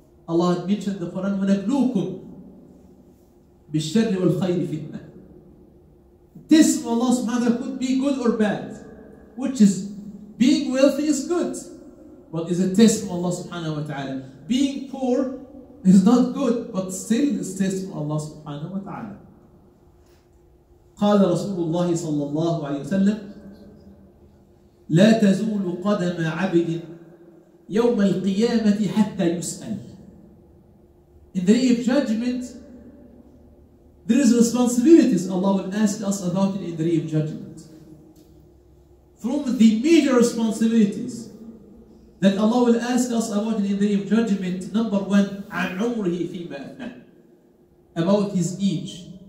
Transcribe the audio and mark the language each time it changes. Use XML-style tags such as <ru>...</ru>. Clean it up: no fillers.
<en>Allah had mentioned the Quran,</en> <ar>وَنَبْلُوكُمْ بِالشَّرِّ وَالْخَيْرِ فِتْنَةً.</ar> <en>Test from Allah subhanahu wa ta'ala could be good or bad. Which is, being wealthy is good. But it's a test from Allah subhanahu wa ta'ala. Being poor is not good, but still it's a test from Allah subhanahu wa ta'ala.</en> <ar>قال رسول الله صلى الله عليه وسلم لا تزول قدم عبد يوم القيامة حتى يسأل.</ar> <en>In the day of judgment, there is responsibilities Allah will ask us about it in the day of judgment. From the major responsibilities that Allah will ask us about it in the day of judgment, number one,</en> <ar>عن عمره فيما أثناه,</ar> <en>about his age.</en>